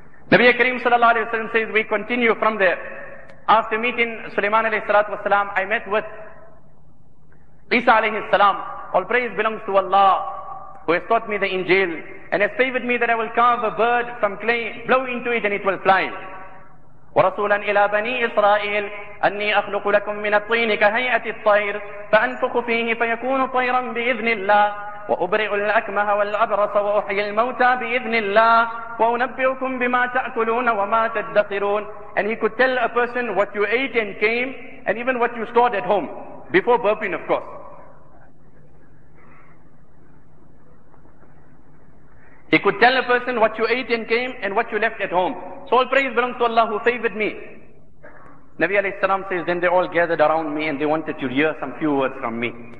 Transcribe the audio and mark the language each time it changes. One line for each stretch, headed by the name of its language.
English: Nabi Kareem sallallahu alayhi wa sallam says, we continue from there. After meeting Sulaiman alayhi salatu wasalam, I met with Isa alayhi salam. All praise belongs to Allah who has taught me the Injil and has favored me that I will carve a bird from clay, blow into it and it will fly.
Arabic: وَرَسُولًا إِلَىٰ بَنِي إِسْرَائِيلَ أَنِّي أَخْلُقُ لَكُمْ مِنَ الطِّينِ كَهَيْئَةِ الطَّيْرِ فَأَنْفُخُ فِيهِ فَيَكُونُ طَيْرًا بِإِذْنِ اللَّهِ وَأُبْرِئُ الْأَكْمَهَ وَالْأَبْرَصَ وَأُحْيِي الْمَوْتَى بِإِذْنِ اللَّهِ وَأُنَبِّئُكُمْ بِمَا تَأْكُلُونَ وَمَا تَدَّخِرُونَ.
English: And he could tell a person what you ate and came, and even what you stored at home, before burping, of course. He could tell a person what you ate and came and what you left at home. So all praise belongs to Allah who favored me. Nabi alayhi salam says, then they all gathered around me and they wanted to hear some few words from me.